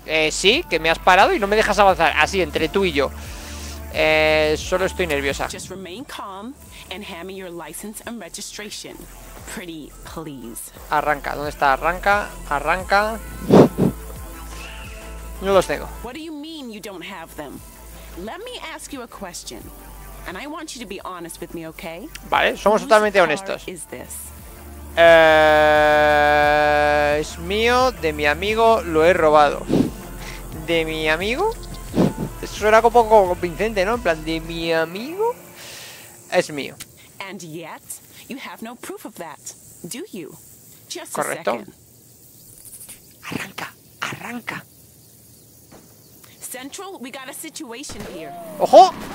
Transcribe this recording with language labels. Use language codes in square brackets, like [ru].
[es] Sí, que me has parado y no me dejas avanzar. Así, entre tú y yo. Solo estoy nerviosa. [en] Just remain calm and hand me your license and registration. Pretty, please. [es] Arranca, ¿dónde está? Arranca, arranca. No los tengo. [en] What do you mean you don't have them? Let me ask you a question. And I want you to be honest with me, okay? [es] Vale, somos totalmente honestos. [en] Is this? [es] Es mío, de mi amigo, lo he robado. ¿De mi amigo? Eso suena un poco convincente, ¿no? En plan, ¿de mi amigo? Es mío. [en] And yet, you have no proof of that, do you? Just [es] correcto. [en] A second. [es] Arranca, arranca. [en] Central, we got a situation here. [es] ¡Ojo!